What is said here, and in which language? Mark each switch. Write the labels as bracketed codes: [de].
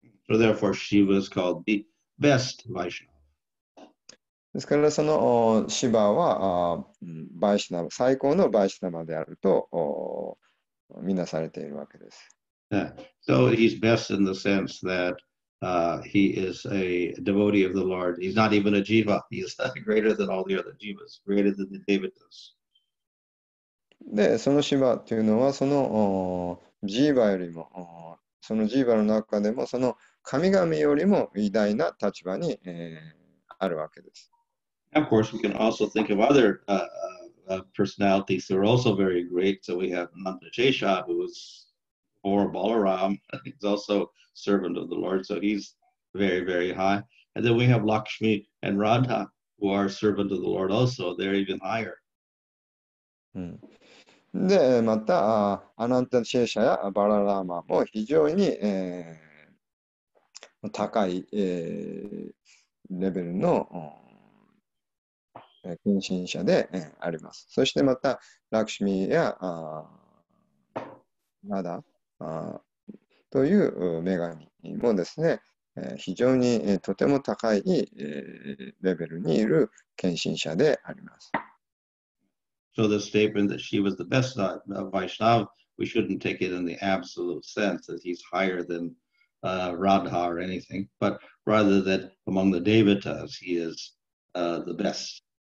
[en] So therefore she was called the best Vaishnava. [ja] ですからそのシヴァはバイシナバ最高のバイシナバであるとみなされているわけです。 [en] So he's best in the sense thatHe is a devotee of the Lord. He's not even a jiva. He is greater than all the other jivas, greater than the devatas. [ja] で、そのシヴァっていうのはそのジーヴァよりも、そのジーヴァの中でもその神々よりも偉大な立場に、あるわけです。 [en] Of course, we can also think of other personalities who are also very great. So we have Nanda Shesha, who is or Balaram. He's also servant of the Lord, so he's very, very high. And then we have Lakshmi and Radha, who are servant of the Lord also, they're even higher. [ja] で、また、アナンタシェシャやバララーマも非常に、高い、レベルの、献身者で、あります。そしてまた、ラクシミやラダという女神もですね、非常にとても高いレベルにいる献身者であります。 [en] So the statement that she was the best Vaishnava, we shouldn't take it in the absolute sense that he's higher than Radha or anything, but rather that among the Devatas, he is the best.